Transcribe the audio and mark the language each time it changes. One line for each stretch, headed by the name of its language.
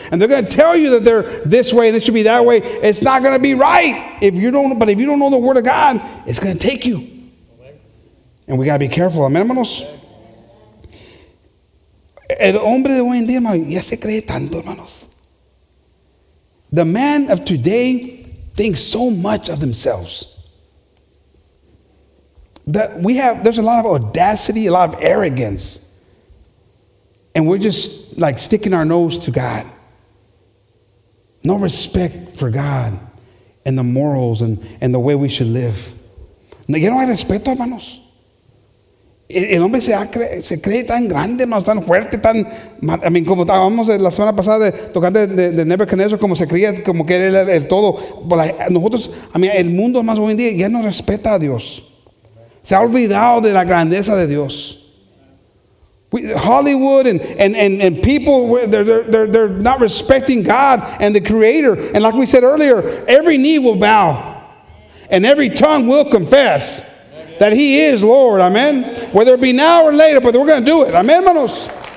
English: And they're going to tell you that they're this way and they should be that way. It's not going to be right. But if you don't know the word of God, it's going to take you. And we got to be careful. Amen,
Spanish: hermanos. El hombre de hoy en día, hermano, ya se cree tanto, hermanos.
English: The man of today thinks so much of themselves. That we have, there's a lot of audacity, a lot of arrogance. And we're just like sticking our nose to God. No respect for God and the morals and the way we should live.
Spanish: Ya no hay respeto, hermanos. El hombre se cree tan grande, hermanos, tan fuerte, tan...
English: I mean,
Spanish: como estábamos la semana pasada tocando de Nebuchadnezzar, como se creía, como que era el todo.
English: But like,
Spanish: nosotros,
English: I mean,
Spanish: el mundo más hoy en día ya no respeta a Dios. Se ha olvidado de la grandeza de Dios.
English: Hollywood and people, they're not respecting God and the Creator. And like we said earlier, every knee will bow and every tongue will confess that He is Lord. Amen. Whether it be now or later, but we're going to do it. Amen,
Spanish: hermanos.